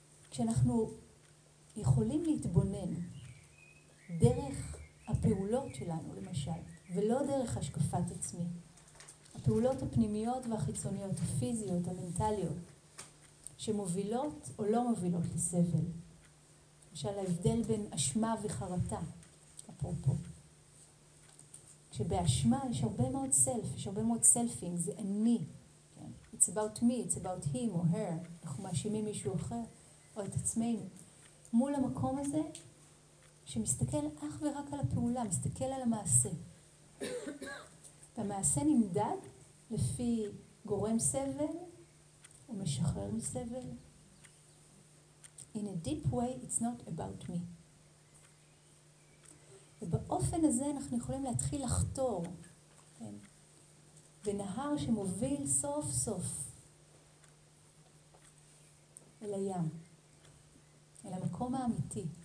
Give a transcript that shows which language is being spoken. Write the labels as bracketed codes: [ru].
[he] כשאנחנו יכולים להתבונן דרך הפעולות שלנו, למשל, ולא דרך השקפת עצמי, הפעולות הפנימיות והחיצוניות, הפיזיות, המנטליות, שמובילות או לא מובילות לסבל. למשל, ההבדל בין אשמה וחרטה, אפרופו. כשבאשמה יש הרבה מאוד סלף, יש הרבה מאוד סלפינג, זה אני. [en] It's about me, it's about him or her. [he] אנחנו מאשימים מישהו אחר או את עצמנו. מול המקום הזה, שמסתכל אך ורק על הפעולה, מסתכל על המעשה. והמעשה נמדד לפי גורם סבל, הוא משחרר מסבל. [en] In a deep way, it's not about me. [he] ובאופן הזה אנחנו יכולים להתחיל לחתור, כן? בנהר שמוביל סוף סוף אל הים, אל המקום האמיתי.